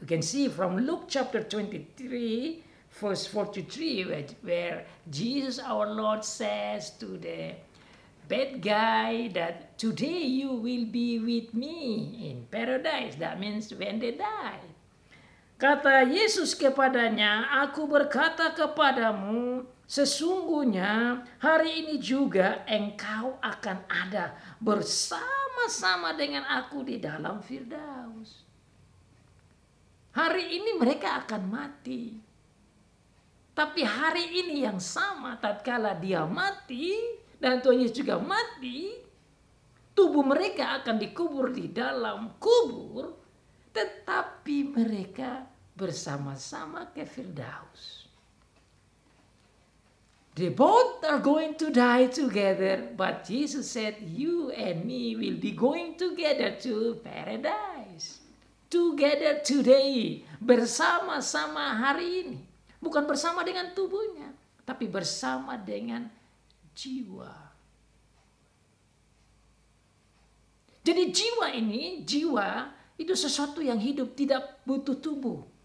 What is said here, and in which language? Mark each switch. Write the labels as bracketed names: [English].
[English] You can see from Luke chapter 23 verse 43 where Jesus our Lord says to the bad guy that today you will be with me in paradise. That means when they die. [Indonesian] Kata Yesus kepadanya, aku berkata kepadamu, sesungguhnya hari ini juga engkau akan ada bersama-sama dengan aku di dalam Firdaus. Hari ini mereka akan mati. Tapi hari ini yang sama, tatkala dia mati dan Tuhan Yesus juga mati, tubuh mereka akan dikubur di dalam kubur, tetapi mereka bersama-sama ke Firdaus. [English] They both are going to die together, but Jesus said, you and me will be going together to paradise. Together today, [Indonesian] bersama-sama hari ini. Bukan bersama dengan tubuhnya, tapi bersama dengan jiwa. Jadi jiwa ini, jiwa itu sesuatu yang hidup, tidak butuh tubuh.